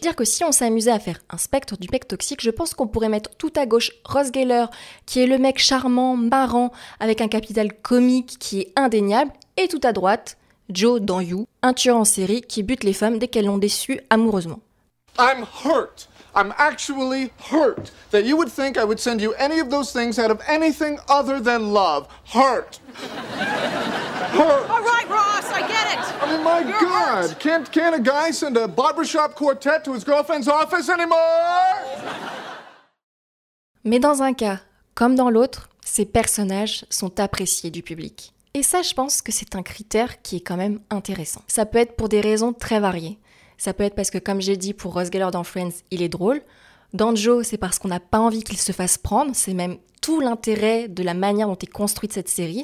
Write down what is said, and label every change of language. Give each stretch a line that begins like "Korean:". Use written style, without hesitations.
French: C'est-à-dire que si on s'amusait à faire un spectre du mec toxique, je pense qu'on pourrait mettre tout à gauche Ross Geller, qui est le mec charmant, marrant, avec un capital comique qui est indéniable, et tout à droite, Joe dans You, un tueur en série qui bute les femmes dès qu'elles l'ont déçu amoureusement.
English: I'm hurt. I'm actually hurt that you would think I would send you any of those things out of anything other than love. Hurt. Hurt. All right, Ross, I get it. I mean, my You're God, hurt. Can't a guy send a barbershop quartet to his girlfriend's office anymore?
French: Mais dans un cas, comme dans l'autre, ces personnages sont appréciés du public. Et ça, je pense que c'est un critère qui est quand même intéressant. Ça peut être pour des raisons très variées. Ça peut être parce que, comme j'ai dit, pour Ross Geller dans Friends, il est drôle. Dans Joe, c'est parce qu'on n'a pas envie qu'il se fasse prendre. C'est même tout l'intérêt de la manière dont est construite cette série.